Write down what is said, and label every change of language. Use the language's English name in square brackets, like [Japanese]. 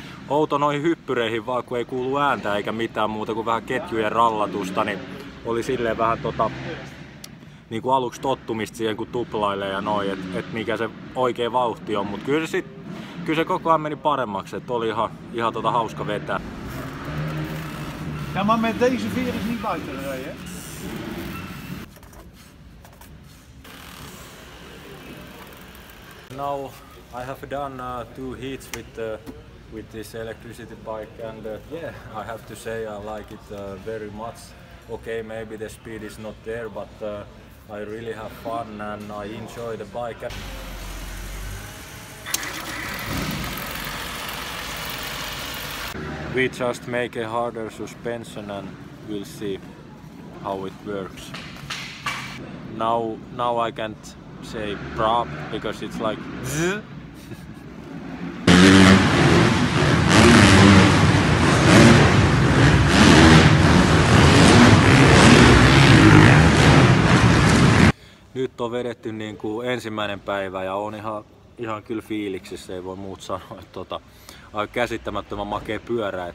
[Finnish] Outo noihin hyppyreihin vaan, kun ei kuulu ääntä eikä mitään muuta kuin vähän ketjujen rallatusta, niin oli silleen vähän niin kuin aluksi tottumista siihen, kun tuplailee ja noin, että mikä se oikea vauhti on, mutta kyllä se koko ajan meni paremmaksi, että oli ihan hauska vetää. Ja mä menen deze vieris niet buiten rijden. [English] Now I have done two heats with this electricity bike, and yeah, I have to say I like it very much. Okay, maybe the speed is not there, but I really have fun and I enjoy the bike. We just make a harder suspension and we'll see how it works. Now I can't say prop because it's like [Finnish] Nyt on vedetty niin kuin ensimmäinen päivä ja on ihan kyllä fiiliksissä, ei voi muut sanoa, että aika käsittämättömän makea pyörä.